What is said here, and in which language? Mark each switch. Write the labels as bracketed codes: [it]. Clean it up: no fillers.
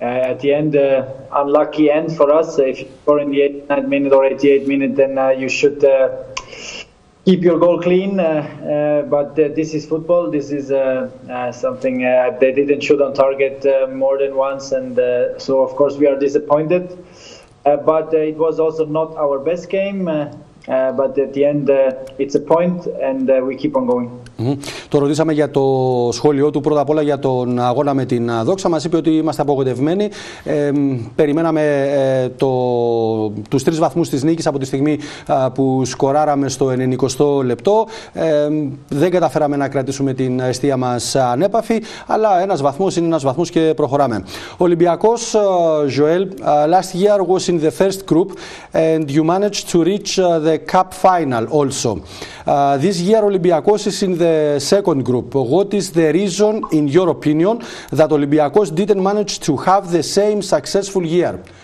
[en] At the end, unlucky end for us. If you're in the 89th minute or 88th minute, then you should keep your goal clean, but this is football. This is something they didn't shoot on target more than once, and so of course we are disappointed. But it was also not our best game. But at the end, it's a point, and we keep on going. [el] Το ρωτήσαμε για το σχόλιο του, πρώτα απ' όλα για τον αγώνα με την Δόξα. Μας είπε ότι είμαστε απογοητευμένοι. Περιμέναμε τους τρεις βαθμούς της νίκης από τη στιγμή που σκοράραμε στο 90 λεπτό. Δεν καταφέραμε να κρατήσουμε την αιστεία μας ανέπαφη, αλλά ένας βαθμός είναι ένας βαθμός και προχωράμε. [en] Ολυμπιακός, Joel, last year was in the first group and you managed to reach the cup final also. This year Ολυμπιακός is in the second group. What is the reason, in your opinion, that Olympiakos didn't manage to have the same successful year?